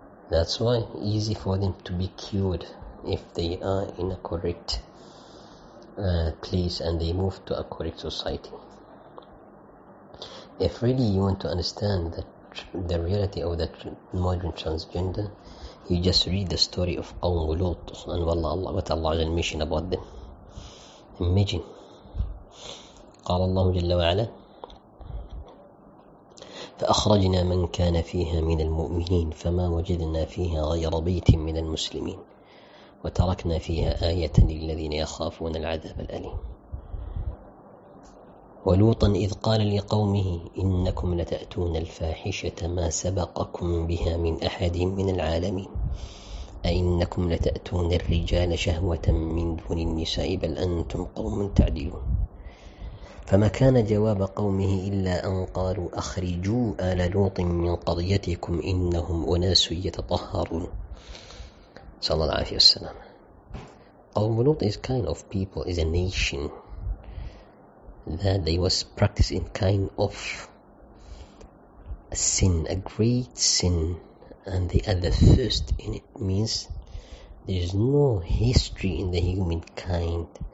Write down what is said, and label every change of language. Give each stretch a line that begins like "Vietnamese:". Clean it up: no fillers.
English: That's why easy for them to be cured if they are in a correct place and they move to a correct society. If really you want to understand the reality of the modern transgender, you just read the story of Qawm Lut and Wallah, what Allah has mentioned about them. Imagine.
Arabic: قال الله جل وعلا فأخرجنا من كان فيها من المؤمنين فما وجدنا فيها غير بيت من المسلمين وتركنا فيها آية للذين يخافون العذاب الأليم. ولوطا إذ قال لقومه إنكم لتأتون الفاحشة ما سبقكم بها من أحد من العالمين أئنكم لتأتون الرجال شهوة من دون النساء بل أنتم قوم تعدلون. فما كان جواب قومه إلا أن قالوا أخرجوا آل لوط من قريتكم إنهم أناس يتطهرون. صلى الله عليه وسلم.
English: قوم لوط is kind of people, is a nation that they was practicing kind of a sin, a great sin, and they are the first in it. Means there is no history in the humankind